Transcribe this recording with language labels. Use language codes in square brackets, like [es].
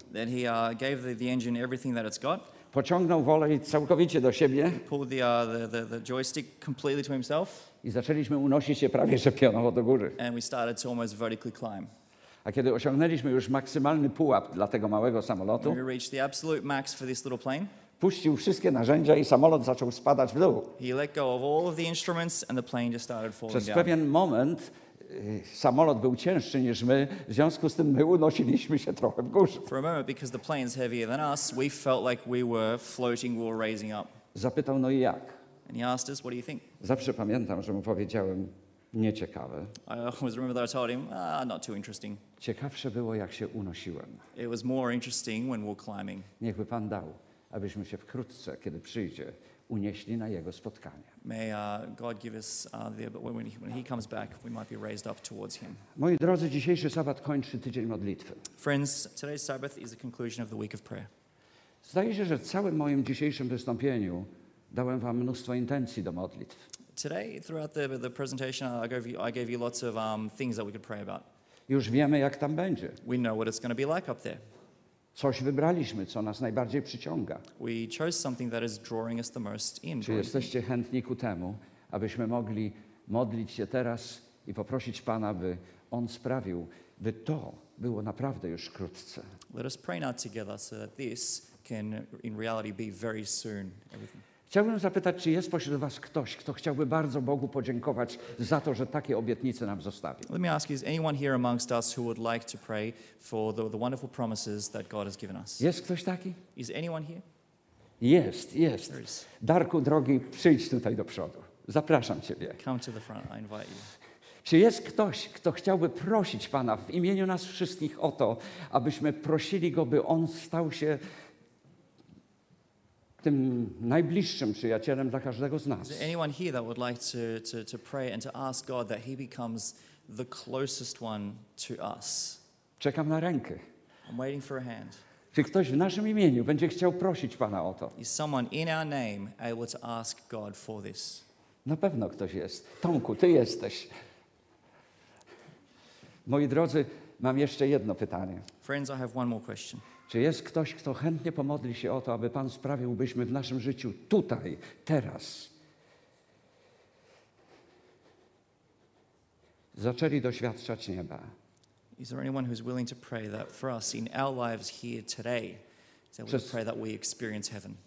[en] Then he gave the engine everything that it's got. [pl] Pociągnął wolę całkowicie do siebie. [en] Pulled the joystick completely to himself. [pl] I zaczęliśmy unosić się prawie że pionowo do góry. [en] And we started to almost vertically climb. [pl] A kiedy osiągnęliśmy już maksymalny pułap dla tego małego samolotu, [en] we reached the absolute max for this little plane, [pl] puścił wszystkie narzędzia i samolot zaczął spadać w dół. [en] He let go of all of the instruments and the plane just started falling down. [pl] Przez pewien moment samolot był cięższy niż my, w związku z tym my unosiliśmy się trochę w górze. [en] For a moment, because the plane's heavier than us, we felt like we were floating, we were raising up. [pl] Zapytał, no i jak? [en] And he asked us, what do you think? [pl] Zawsze pamiętam, że mu powiedziałem, nieciekawe. [en] I always remember that I told him, not too interesting. [pl] Ciekawsze było, jak się unosiłem. [en] It was more interesting when we're climbing. [pl] Niech by Pan dał, abyśmy się wkrótce, kiedy przyjdzie, unieśli na jego spotkanie. [en] May God give us when he comes back, we might be raised up towards him. [pl] Moi drodzy, dzisiejszy sabat kończy tydzień modlitwy. [en] Friends, today's Sabbath is the conclusion of the week of prayer. [pl] Zdaje się, że w całym moim dzisiejszym wystąpieniu dałem wam mnóstwo intencji do modlitw. [en] Today, throughout the presentation, I gave you lots of things that we could pray about. [pl] Już wiemy, jak tam będzie. [en] We know what it's going to be like up there. [pl] Coś wybraliśmy, co nas najbardziej przyciąga. [en] We chose something that is drawing us the most in. [pl] Czy jesteście chętni ku temu, abyśmy mogli modlić się teraz i poprosić Pana, by On sprawił, by to było naprawdę już wkrótce? [en] Let us pray now together so that this can in reality be very soon. [pl] Chciałbym zapytać, czy jest pośród was ktoś, kto chciałby bardzo Bogu podziękować za to, że takie obietnice nam zostawił? [en] Let me ask you, is anyone here amongst us who would like to pray for the wonderful promises that God has given us? [pl] Jest ktoś taki? [en] Is anyone here? [pl] Jest, jest. Darku drogi, przyjdź tutaj do przodu. Zapraszam ciebie. [en] Come to the front, I invite you. [pl] Czy jest ktoś, kto chciałby prosić Pana w imieniu nas wszystkich o to, abyśmy prosili Go, by On stał się tym najbliższym przyjacielem dla każdego z nas? [en] Is there anyone here that would like to pray and to ask God that He becomes the closest one to us? [pl] Czekam na rękę. [en] I'm waiting for a hand. [pl] Czy ktoś w naszym imieniu będzie chciał prosić Pana o to? [en] Is someone in our name able to ask God for this? [pl] Na pewno ktoś jest. Tomku, ty jesteś. Moi drodzy, mam jeszcze jedno pytanie. [en] Friends, I have one more question. [pl] Czy jest ktoś, kto chętnie pomodli się o to, aby Pan sprawił, byśmy w naszym życiu tutaj, teraz, zaczęli doświadczać nieba? [en] Is there anyone who's willing to pray that for us in our lives here today, that we pray that we experience heaven?